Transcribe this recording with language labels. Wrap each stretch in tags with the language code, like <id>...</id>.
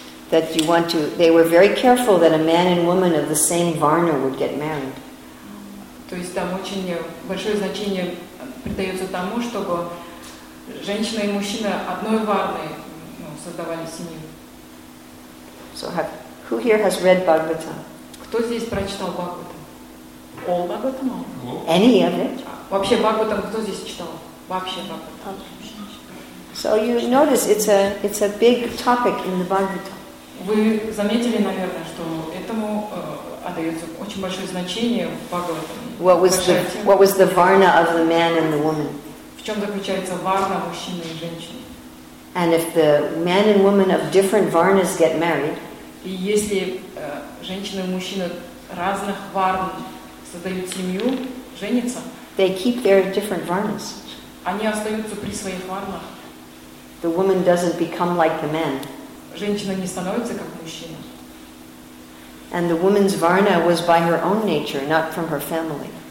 <en>That you want to, they were very careful that a man and woman of the same varna would get married.</en> <ru>То есть там очень большое значение придается тому, чтобы женщина и мужчина одной варны создавали семью.</ru> <en>So who here has read Bhagavatam?</en> <ru>Кто здесь прочитал Бхагаватам?</ru> <en>All Bhagavatam? Any of it?</en> <ru>Вообще Бхагаватам кто здесь читал? Вообще Бхагаватам.</ru> <en>So you notice it's a big topic in the Bhagavatam.</en> <ru>Вы заметили, наверное, что этому отдается очень большое значение в Бхагаватам.</ru> <en>What was the varna of the man and the woman?</en> <ru>В чем заключается варна мужчины и женщины?</ru> <en>And if the man and woman of different varnas get married,</en> <ru>и если женщина и мужчина разных варн создают семью, женятся,</ru> <en>they keep their different varnas.</en> <ru>Они остаются при своих варнах.</ru> <en>The woman doesn't become like the man.</en> <ru>Женщина не становится как мужчина.</ru> <en>And the woman's varna was by her own nature, not from her family.</en>